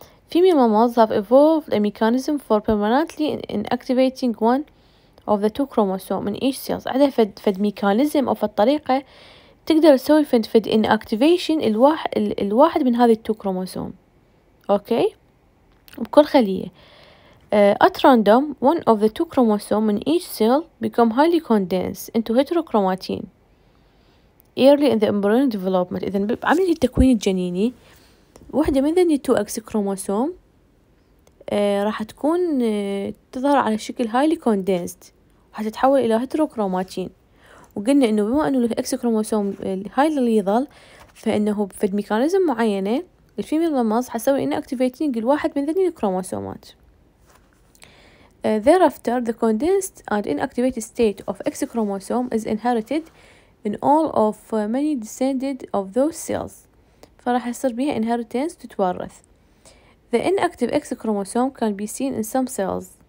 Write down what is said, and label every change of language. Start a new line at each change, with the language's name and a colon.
English: Female mammals have evolved a mechanism for permanently inactivating one of the two chromosomes in each cell.
Arabic: عندها فد ميكانيزم أو فد طريقة تقدر تسوي فد inactivation الواحد من هذه التو كروموسوم. أوكي بكل خلية.
English: At random, one of the two chromosomes in each cell become highly condensed into heterochromatin early in the embryonic development.
Arabic: إذن بعمل التكوين الجنيني واحدة من ذني 2X chromosome راح تكون تظهر على شكل highly condensed وحتتحول إلى heterochromatin. وقلنا إنه بما إنه الX chromosome highly lethal فإنه في الميكانيزم معينة الفيميل مامز حسوي إنه activating الواحد من ذني الكروموسومات.
English: Thereafter, the condensed and inactivated state of X chromosome is inherited in all of many descended of those cells.
Arabic: فراح يصير بها inheritance تتورث.
English: The inactive X chromosome can be seen in some cells.